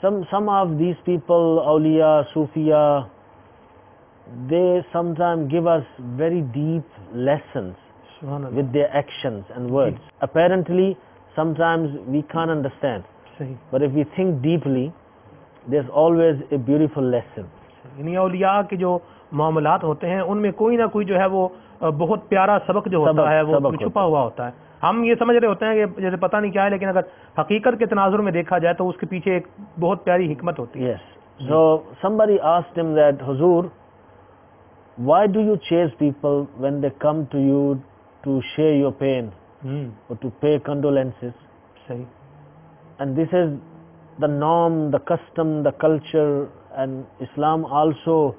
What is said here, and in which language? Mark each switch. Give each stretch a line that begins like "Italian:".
English: Some of these people, awliya, sufiya, they sometimes give us very deep lessons with their actions and words. Apparently sometimes we can't understand, but if we think deeply, there's always a beautiful lesson.
Urdu: یعنی اولیاء کے جو معاملات ہوتے ہیں ان میں کوئی نہ کوئی جو ہے وہ بہت پیارا سبق جو ہوتا ہے وہ چھپا ہوا ہوتا ہے. ہم یہ سمجھ رہے ہوتے ہیں کہ جیسے پتہ نہیں کیا ہے, لیکن اگر حقیقت کے تناظر میں دیکھا جائے تو اس کے پیچھے ایک بہت پیاری حکمت ہوتی ہے.
English: Yes. So somebody asked him that, حضور, why do you chase people when they come to you to share your pain or to pay condolences?
Urdu: صحیح.
English: And this is the norm, the custom, the culture, and Islam also